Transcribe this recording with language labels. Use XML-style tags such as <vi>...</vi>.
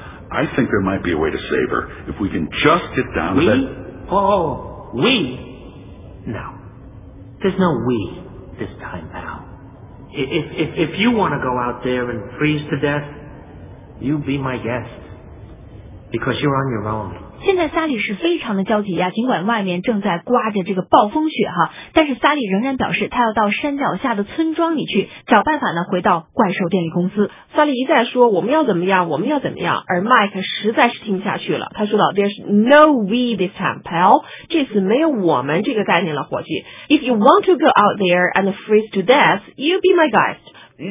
<en>I think there might be a way to save her if we can just get down to that... We? Oh, we? No. There's no we this time, pal. If you want to go out there and freeze to death, you be my guest. Because you're on your own.</en> <zh>现在萨莉是非常的焦急呀，尽管外面正在刮着这个暴风雪哈，但是萨莉仍然表示她要到山脚下的村庄里去找办法呢，回到怪兽电力公司。萨莉一再说我们要怎么样，我们要怎么样，而麦克实在是听不下去了，他说到</zh> <en>There's no we this time, pal.</en> <zh>这次没有我们这个概念了，伙计。</zh> <en>If you want to go out there and freeze to death, you be my guest.</en>